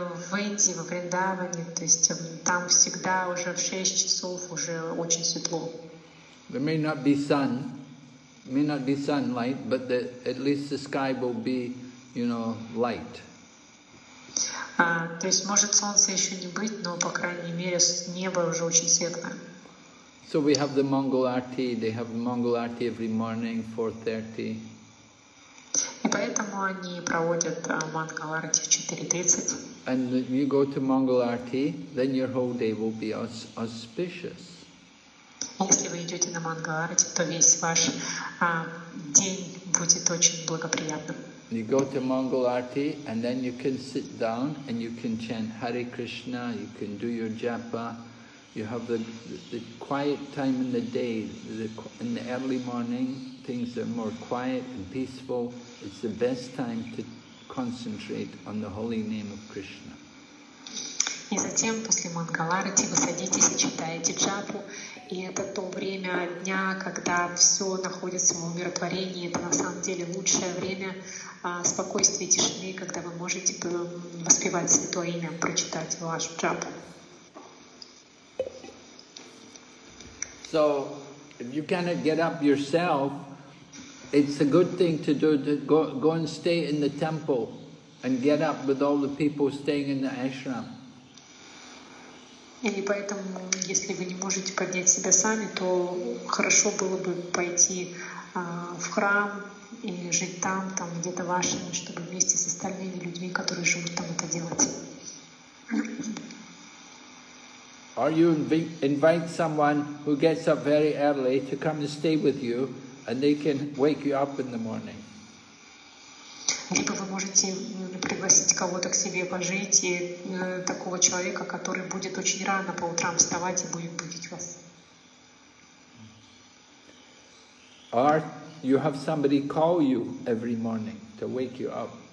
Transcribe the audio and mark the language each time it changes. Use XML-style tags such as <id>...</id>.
<ru>Выйти во Вриндаване, то есть там всегда уже в 6 часов уже очень светло.</ru> <en>There may not be sun, may not be sunlight, but at least the sky will be, light.</en> <ru>То есть может солнце еще не быть, но по крайней мере небо уже очень светлое.</ru> <en>So we have the Mangal Arati, they have Mangal Arati every morning, 4:30.</en> <ru>И поэтому они проводят Mangal Arati в 4:30.</ru> <en>And you go to Mangal Arati, then your whole day will be auspicious.</en> <ru>Если вы идете на Mangal Arati, то весь ваш день будет очень благоприятным.</ru> <en>You go to Mangal Arati, and then you can sit down and you can chant Hare Krishna. You can do your japa. You have the quiet time in the day. In the early morning, things are more quiet and peaceful. It's the best time to concentrate on the holy name of Krishna.</en> <ru>И затем после Мангал Арати вы садитесь и читаете джапу, и это то время дня, когда все находится в умиротворении. Это на самом деле лучшее время спокойствия и тишины, когда вы можете воспевать святое имя, прочитать вашу джапу.</ru> <en>So, if you cannot get up yourself, it's a good thing to do, to go and stay in the temple and get up with all the people staying in the ashram.</en> <ru>Или поэтому, если вы не можете поднять себя сами, то хорошо было бы пойти в храм и жить там где-то вашими, чтобы вместе с остальными людьми, которые живут там, это делать.</ru> <en>Or you invite someone who gets up very early to come and stay with you, and they can wake you up in the morning.</en> <ru>Либо вы можете пригласить кого-то к себе пожить, и такого человека, который будет очень рано по утрам вставать и будет будить вас.</ru> <en>Or you have somebody call you every morning to wake you up.</en>